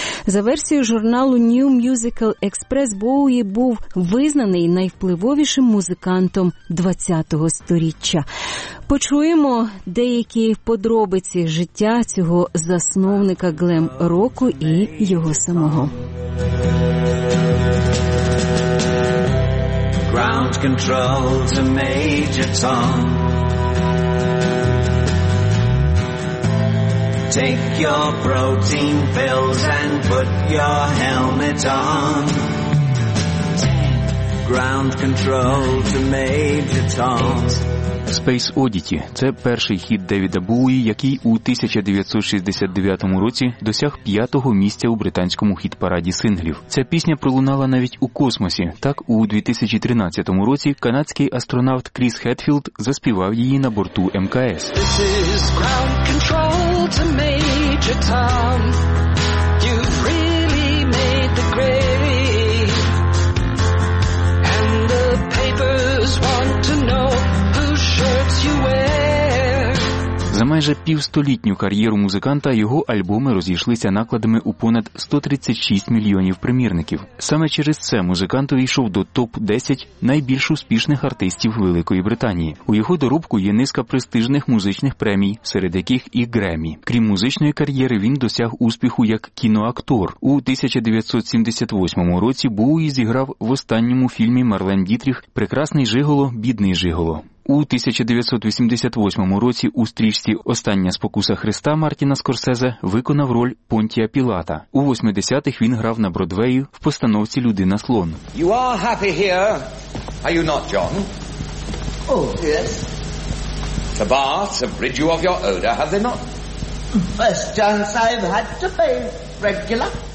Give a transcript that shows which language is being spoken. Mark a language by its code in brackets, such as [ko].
[uk] За версією журналу New Musical Express, Боуї був визнаний найвпливовішим музикантом 20-го століття. Почуємо деякі подробиці життя цього засновника глем-року і його самого. [en] Ground control to Major Tom. Take your protein pills and put your helmet on. Ground control to Major Tom. [uk] Space Oddity – це перший хіт Девіда Боуї, який у 1969 році досяг п'ятого місця у британському хіт-параді синглів. Ця пісня пролунала навіть у космосі. Так, у 2013 році канадський астронавт Кріс Хетфілд заспівав її на борту МКС. [en] This is ground control to Major Tom. You've really made the grave. And the papers want to know. [uk] За майже півстолітню кар'єру музиканта його альбоми розійшлися накладами у понад 136 мільйонів примірників. Саме через це музикант увійшов до топ-10 найбільш успішних артистів Великої Британії. У його доробку є низка престижних музичних премій, серед яких і Гремі. Крім музичної кар'єри, він досяг успіху як кіноактор. У 1978 році Боуї зіграв в останньому фільмі Марлен Дітріх «Прекрасний жиголо, бідний жиголо». У 1988 році у стрічці «Остання спокуса Христа» Мартіна Скорсезе виконав роль Понтія Пілата. У 80-х він грав на Бродвеї в постановці «Людина-слон». [en] You are happy here, are you not, John? Oh, yes. The baths have rid you of your odor, have they not? First chance I've had to pay regular.